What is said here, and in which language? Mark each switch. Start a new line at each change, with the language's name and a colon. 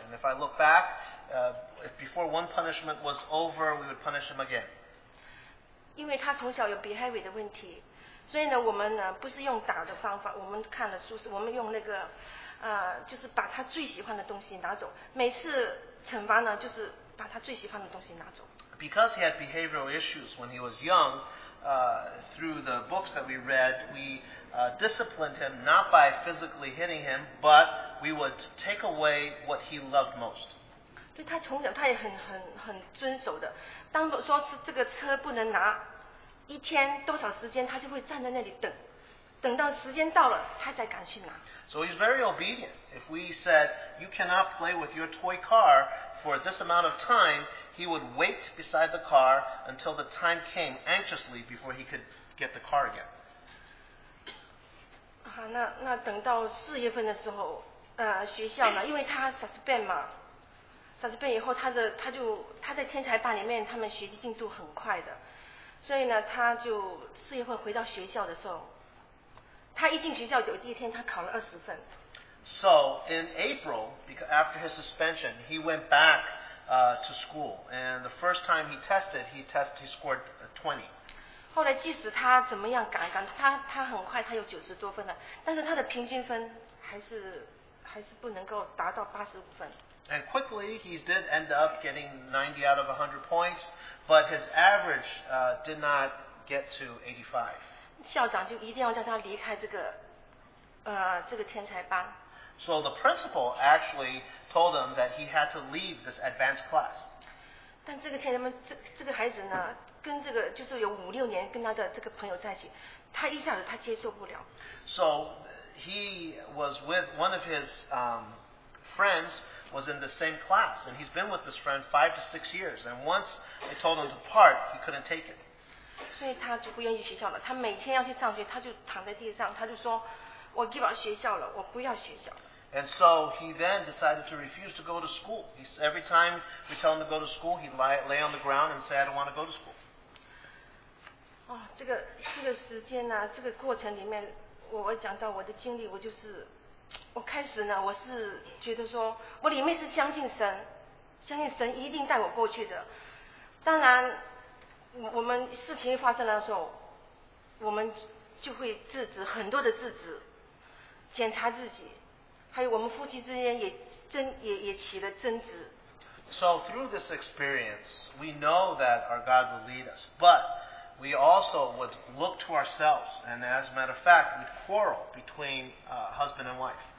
English: And if I look back, if before one punishment was over, we would punish him again.
Chinese: 因为他从小有 behavior 的问题。所以呢，我们呢不是用打的方法，我们看了书是，我们用那个，就是把他最喜欢的东西拿走。每次惩罚呢，就是把他最喜欢的东西拿走。
English: Because he had behavioral issues when he was young, through the books that we read, we disciplined him not by physically hitting him, but we would take away what he loved most.
Chinese: 对他从小他也很遵守的，当说是这个车不能拿。一天多少时间，他就会站在那里等，等到时间到了，他才敢去拿。
English: So he's very obedient. If we said you cannot play with your toy car for this amount of time, he would wait beside the car until the time came anxiously before he could get the car again.
Chinese: 好，那等到四月份的时候，学校呢，因为他 suspend 嘛 ，suspend 以后，他在天才班里面，他们学习进度很快的。所以呢，他就四月份回到学校的时候，他一进学校有第一天，他考了20分。
English: So in April, because after his suspension, he went back to school, and the first time he scored 20.
Chinese: 后来即使他怎么样赶，他很快他有90多分了，但是他的平均分还是不能够达到85分。
English: And quickly, he did end up getting 90 out of 100 points, but his average did not get to 85.
Chinese: 校长就一定要叫他离开这个天才班。
English: So the principal actually told him that he had to leave this advanced class.
Chinese: 但这个天才班这个孩子呢，跟这个就是有五六年跟他的这个朋友在一起，他一下子他接受不了。
English: So he was with one of his friends. Was in the same class, and he's been with this friend 5 to 6 years. And once they told him to part, he couldn't take it.
Chinese: 所以他就不愿意去学校了。他每天要去上学，他就躺在地上，他就说：“我
English: give up
Chinese: 学校了，我不要学校。”
English: And so he then decided to refuse to go to school. Every time we tell him to go to school, he lay on the ground and say, "I don't want to go to school."
Chinese: 哦，这个时间呢，这个过程里面，我讲到我的经历，我就是。我开始呢，我是觉得说，我里面是相信神，相信神一定带我过去的。当然，我们事情发生的时候，我们就会制止很多的制止，检查自己，还有我们夫妻之间也起了争执。
English: So through this experience, we know that our God will lead us, but we also would look to ourselves, and as a matter of fact, we'd quarrel between husband and wife.